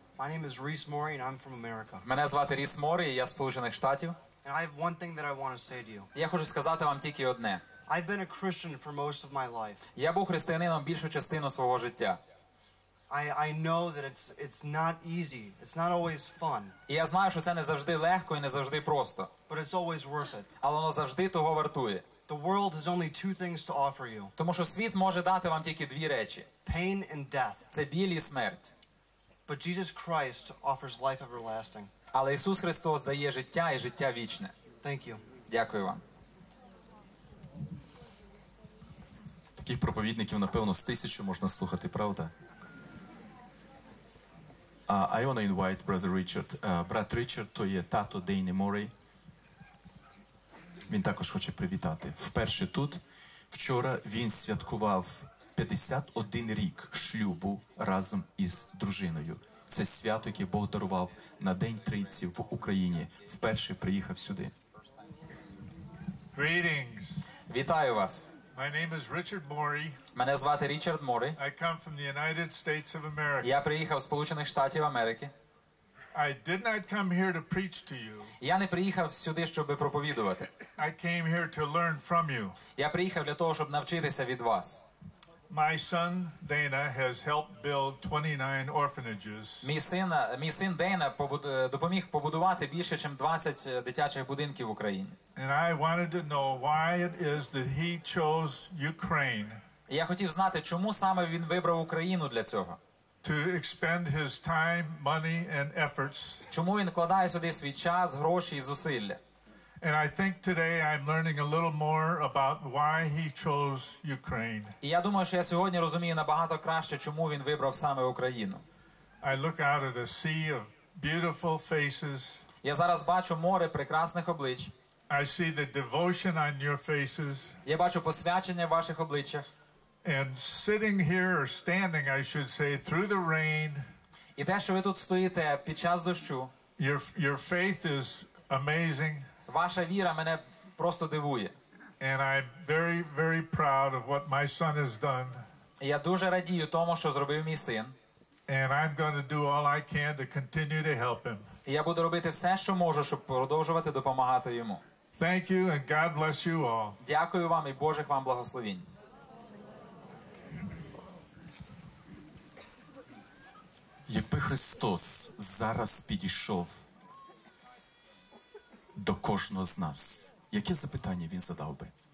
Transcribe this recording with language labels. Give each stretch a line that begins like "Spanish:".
English: My name is Reese Morey and I'm from America.
Ukrainian: Мене звати Ріс Морі, я з Сполучених Штатів.
English: And I have one thing that I want to say to you.
Ukrainian: Я хочу сказати вам тільки одне.
English: I've been a Christian for most of my life.
Ukrainian: Я був християнином більшу частину свого життя.
English: I know that it's not easy. It's not always fun.
Ukrainian: І я знаю, що це не завжди легко і не завжди просто.
English: But it's always worth it.
Ukrainian: Але воно завжди того вартує.
English: The world has only two things to offer you.
Ukrainian: Тому що світ може дати вам тільки дві речі.
English: Pain and death.
Ukrainian: Це біль і смерть.
English: But Jesus Christ offers life everlasting.
Ukrainian: Але Ісус Христос дає життя і життя вічне.
English: Thank you.
Ukrainian: Дякую вам. Таких проповідників, напевно, з тисячу можна слухати, правда?
English: I want to invite Brother Richard.
Ukrainian: Брат Річард, то є тато Дейни Моррей. Він також хоче привітати. Вперше тут. Вчора він святкував 51 рік шлюбу разом із дружиною. Це свято, яке Бог дарував на День Трійці в Україні. Вперше приїхав сюди.
English: Greetings.
Ukrainian: Вітаю вас.
English: My name is Richard Morey.
Ukrainian: Мене звати Річард Морей.
English: I come from the United States of America.
Ukrainian: Я приїхав з Сполучених Штатів Америки.
English: I did not come here to preach to you.
Ukrainian: Я не приїхав сюди, щоб проповідувати.
English: I came here to learn from you.
Ukrainian: Я приїхав для того, щоб навчитися від вас.
English: My son Dana has helped build 29 orphanages.
Ukrainian: Мій син Дейна допоміг побудувати більше ніж 20 дитячих будинків в Україні.
English: And I wanted to know why it is that he chose Ukraine.
Ukrainian: Я хотів знати, чому саме він вибрав Україну для цього.
English: To expend his time, money and efforts.
Ukrainian: Чому він вкладає сюди свій час, гроші і зусилля?
English: And I think today I'm learning a little more about why he chose Ukraine.
Ukrainian: І я думаю, що я сьогодні розумію набагато краще, чому він вибрав саме Україну.
English: I look out at a sea of beautiful faces.
Ukrainian: Я зараз бачу море прекрасних облич.
English: I see the devotion on your faces.
Ukrainian: Я бачу посвячення в ваших обличчях.
English: And sitting here or standing, I should say, through the rain.
Ukrainian: І те, що ви тут стоїте під час дощу.
English: Your faith is amazing.
Ukrainian: Ваша віра мене просто дивує.
English: And I'm very, very proud of what my son has done.
Ukrainian: Я дуже радію тому, що зробив мій син.
English: And I'm going to do all I can to continue to help him.
Ukrainian: Я буду робити все, що можу, щоб продовжувати допомагати йому.
English: Thank you and God bless you all.
Ukrainian: Дякую вам і Божих вам благословінь. Якби Христос зараз підійшов до кожного з нас, яке запитання він задав би?